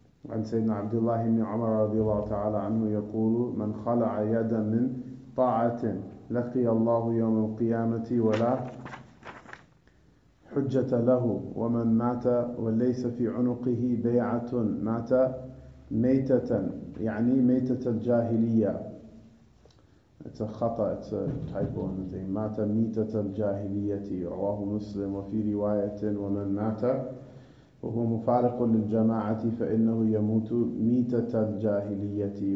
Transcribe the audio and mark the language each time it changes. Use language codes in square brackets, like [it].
[ar] عن سيدنا عبد الله بن عمر رضي الله تعالى عنه يقول: من خلع يدا من طاعة لقي الله يوم القيامة ولا حجة له، ومن مات وليس في عنقه بيعة مات ميتة، يعني ميتة الجاهلية. [en] It's a خطأ, it's a typo in the thing. [ar] مات ميتة الجاهلية. رواه مسلم. وفي رواية: ومن مات وهو مفارق للجماعة فإنه يموت ميتة الجاهلية.